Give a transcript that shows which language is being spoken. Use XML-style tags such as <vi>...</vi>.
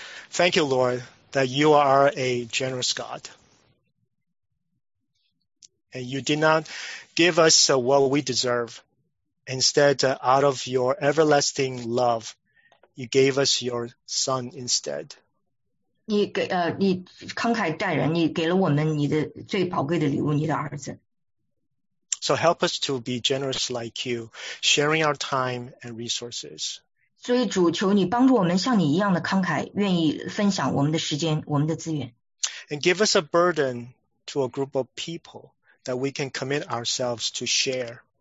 <en>Thank you, Lord, that you are a generous God. And you did not give us what we deserve. Instead, out of your everlasting love, you gave us your Son instead.</en> <zh>你慷慨待人，你给了我们你的最宝贵的礼物，你的儿子。</zh> <en>So help us to be generous like you, sharing our time and resources.</en> <zh>所以主求你帮助我们像你一样的慷慨，愿意分享我们的时间，我们的资源。</zh> <en>And give us a burden to a group of people that we can commit ourselves to share.</en>